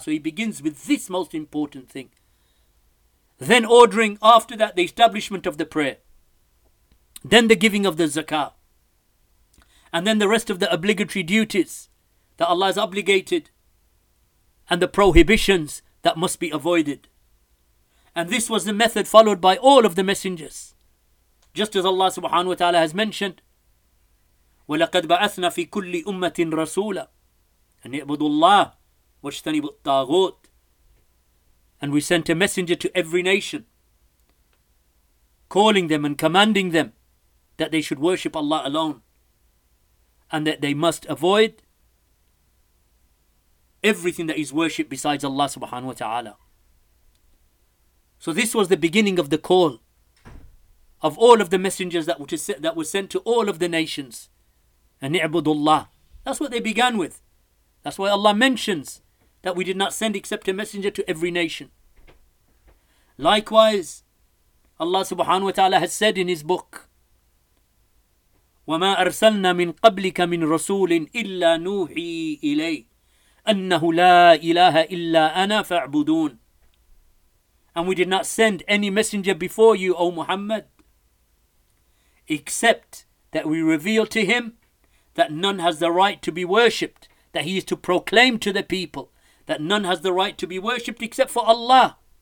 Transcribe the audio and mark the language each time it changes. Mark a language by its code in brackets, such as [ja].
[en] So he begins with this most important thing. Then ordering after that the establishment of the prayer. Then the giving of the zakah. And then the rest of the obligatory duties that Allah has obligated and the prohibitions that must be avoided. And this was the method followed by all of the messengers. Just as Allah subhanahu wa ta'ala has mentioned, [ar] وَلَقَدْ بَعَثْنَا فِي كُلِّ أُمَّةٍ رَسُولًا أَنْ يَعْبُدُوا اللَّهِ وَاجْتَنِبُوا الطَّاغُوتِ. [en] And we sent a messenger to every nation, calling them and commanding them that they should worship Allah alone, and that they must avoid everything that is worshipped besides Allah subhanahu wa ta'ala. So this was the beginning of the call of all of the messengers that were sent to all of the nations. And [ar] ni'budu Allah. [en] That's what they began with. That's why Allah mentions that we did not send except a messenger to every nation. Likewise, Allah subhanahu wa ta'ala has said in his book, [ar] وَمَا أَرْسَلْنَا مِنْ قَبْلِكَ مِنْ رَسُولٍ إِلَّا نُوحِي إِلَيْهِ أَنَّهُ لَا إِلَهَ إِلَّا أَنَا فَاعْبُدُونَ. [en] And we did not send any messenger before you, O Muhammad, except that we reveal to him that none has the right to be worshipped, that he is to proclaim to the people that none has the right to be worshipped except for Allah.